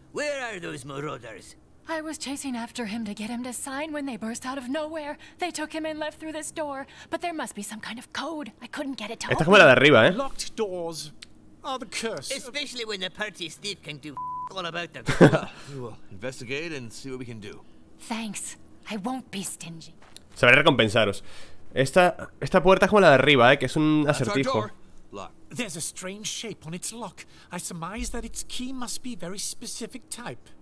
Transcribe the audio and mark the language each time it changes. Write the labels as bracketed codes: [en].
[en] Where are those marauders? I was chasing after him to get him to sign when they burst out of nowhere. They took him and left through this door. But there must be some kind of code. I couldn't get it to open. [es] Esta es como la de arriba, ¿eh? [en] Locked doors are the curse. Especially when the party thief can do all about them. We will investigate and see what we can do. Thanks. I won't be stingy. [es] Sabré recompensaros. Esta puerta es como la de arriba, ¿eh? Que es un acertijo. [en] There's a strange shape on its lock. I surmise that its key must be very specific type.